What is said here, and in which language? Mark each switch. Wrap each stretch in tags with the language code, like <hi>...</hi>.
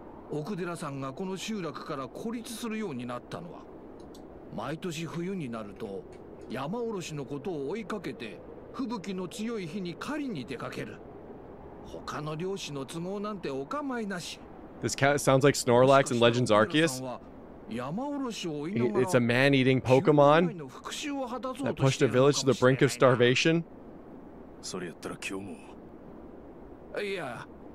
<ja>奥寺さんがこの集落から孤立するようになったのは、毎年冬になると山下ろしのことを追いかけて吹雪の強い日に狩りに出かける。他の漁師の都合なんてお構いなし。</ja> <en>This sounds like Snorlax and Legends Arceus. It's a man-eating Pokemon that pushed a village to the brink of starvation.</en> <ja>それやったら今日も。いや。</ja>